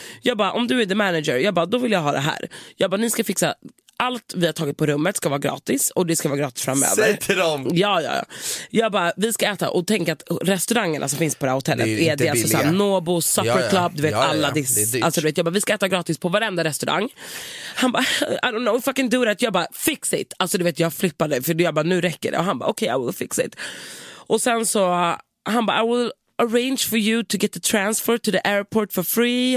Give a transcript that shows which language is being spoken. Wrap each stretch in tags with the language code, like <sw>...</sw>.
<sv>Jag bara, om du är the manager, jag bara, då vill jag ha det här. Jag bara, ni ska fixa allt vi har tagit på rummet, ska vara gratis, och det ska vara gratis framöver. Säg till dem. Ja. Jag bara, vi ska äta, och tänk att restaurangerna som finns på det här hotellet, det är alltså såhär Nobo, Supper Club, du vet, alla det. Alltså du vet, jag bara, vi ska äta gratis på varenda restaurang. Han bara,</sv> <en>I don't know, fucking do that.</en> <sv>Jag bara,</sv> <en>fix it.</en> <sv>Alltså du vet, jag flippade, för jag bara, nu räcker det. Och han bara, okej, okay,</sv> <en>I will fix it.</en> <sv>Och sen så, han bara,</sv> <en>I will arrange for you to get the transfer to the airport for free.</en>